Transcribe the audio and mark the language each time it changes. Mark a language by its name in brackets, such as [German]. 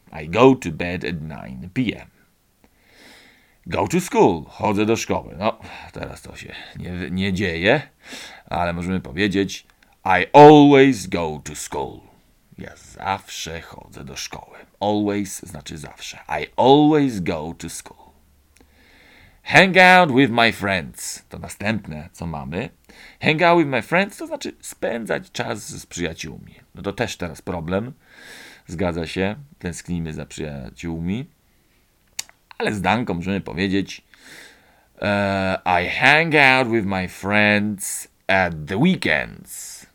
[English] I go to bed at 9 p.m. Go to school. [Polish] Chodzę do szkoły. No, teraz to się nie dzieje, ale możemy powiedzieć [English] I always go to school. [Polish] Ja zawsze chodzę do szkoły. [English] Always [Polish] znaczy zawsze. [English] I always go to school. Hang out with my friends. [Polish] To następne, co mamy. [English] Hang out with my friends [Polish] to znaczy spędzać czas z przyjaciółmi. No to też teraz problem. Zgadza się. Tęsknimy za przyjaciółmi. Ale z Danką możemy powiedzieć [English] I hang out with my friends at the weekends.